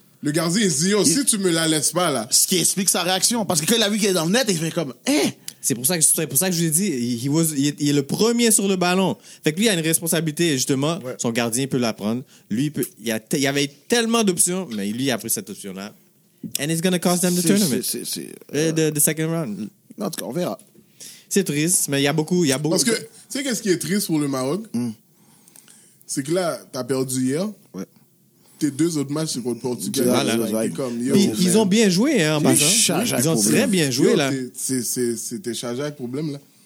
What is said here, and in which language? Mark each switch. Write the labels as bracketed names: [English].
[French] Le gardien, il se dit, si tu me la laisses pas, là. Ce qui explique sa réaction. Parce que quand il a vu qu'il est dans le net, il fait comme, hein? C'est pour ça que je vous ai dit, il est le premier sur le ballon. Fait que lui, il a une responsabilité, justement. Ouais. Son gardien peut la prendre. Lui, il y avait tellement d'options, mais lui, il a pris cette option-là. [English] And it's going to cost them the tournament. The second round. [French] En tout cas, on verra. C'est triste, mais il y a beaucoup. Parce que, tu sais, qu'est-ce qui est triste pour le Maroc? Mm. C'est que là, t'as perdu hier. Ouais. Tes deux autres matchs, c'est contre le Portugal. Ils ont bien joué, hein, en passant. Ils ont très bien joué, là. C'était chargé avec problème, là.